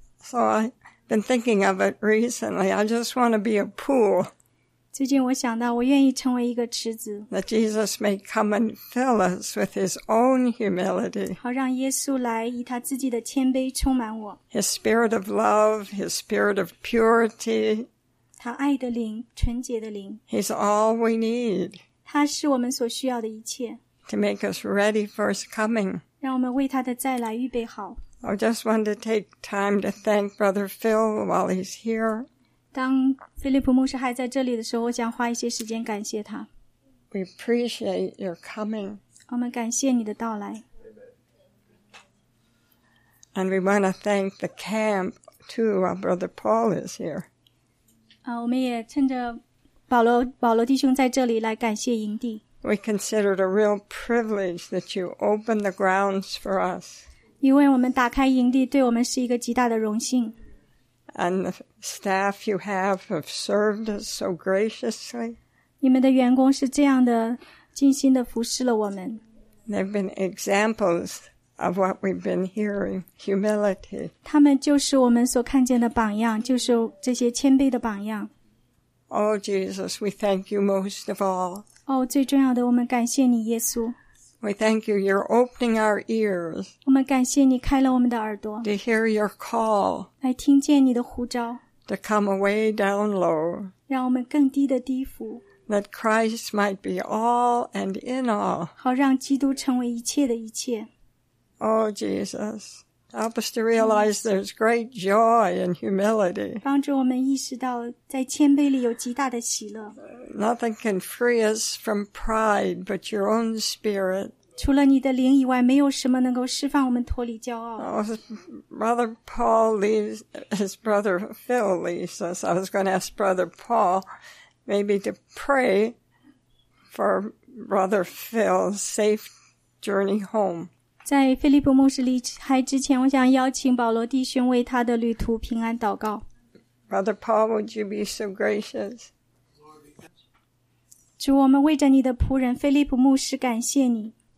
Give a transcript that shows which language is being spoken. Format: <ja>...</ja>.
<en>So I've been thinking of it recently. I just want to be a pool.</en> <zh>最近我想到，我愿意成为一个池子。</zh> <en>That Jesus may come and fill us with His own humility.</en> <zh>好让耶稣来以他自己的谦卑充满我。</zh> <en>His spirit of love, His spirit of purity.</en> <zh>他爱的灵，纯洁的灵。</zh> <en>He's all we need.</en> <zh>他是我们所需要的一切。</zh> <en>To make us ready for His coming.</en> <zh>让我们为他的再来预备好。</zh> <en>I just want to take time to thank Brother Phil while he's here.</en> <zh>当菲利普牧师还在这里的时候，我想花一些时间感谢他。</zh> <en>We appreciate your coming.</en> <zh>我们感谢你的到来。</zh> <en>And we want to thank the camp too, while Brother Paul is here.</en> <zh>我们也趁着保罗弟兄在这里来感谢营地。</zh> <en>We consider it a real privilege that you open the grounds for us.</en> <zh>因为我们打开营地，对我们是一个极大的荣幸。</zh> <en>And the staff you have served us so graciously.</en> <zh>你们的员工是这样的，尽心的服侍了我们。</zh> <en>They've been examples of what we've been hearing, humility.</en> <zh>他们就是我们所看见的榜样，就是这些谦卑的榜样。</zh> <en>Oh, Jesus, we thank you most of all.</en> <zh>哦，最重要的，我们感谢你，耶稣。</zh> <en>We thank you, you're opening our ears.</en> <zh>我们感谢你开了我们的耳朵。</zh> <en>To hear your call.</en> <zh>来听见你的呼召。</zh> <en>To come away down low.</en> <zh>让我们更低的低伏。</zh> <en>That Christ might be all and in all.</en> <zh>好让基督成为一切的一切。</zh> <en>Oh, Jesus. Help us to realize there's great joy in humility.</en> <zh>帮助我们意识到在谦卑里有极大的喜乐。</zh> <en>Nothing can free us from pride but your own spirit.</en> <zh>除了你的灵以外，没有什么能够释放我们脱离骄傲。</zh> <en>Brother Paul leaves, his brother Phil leaves us. I was going to ask Brother Paul maybe to pray for Brother Phil's safe journey home.</en> <zh>在菲利普牧师离开之前，我想邀请保罗弟兄为他的旅途平安祷告。</zh> <en>Brother Paul, would you be so gracious?</en> <zh>主，我们为着你的仆人菲利普牧师感谢你。</zh>